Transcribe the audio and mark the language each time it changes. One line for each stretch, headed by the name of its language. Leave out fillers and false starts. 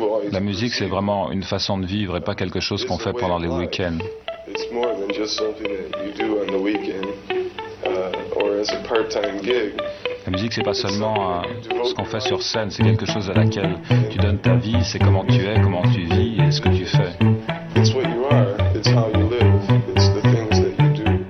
French: La musique, c'est vraiment une façon de vivre et pas quelque chose qu'on fait pendant les week-ends.
English: It's more than just something that you do on the weekend or as a part-time gig.
French: La musique, c'est pas seulement ce qu'on fait sur scène, c'est quelque chose à laquelle tu donnes ta vie, c'est comment tu es, comment tu vis et ce que tu fais.
English: It's what you are, it's how you live, it's the things that you do.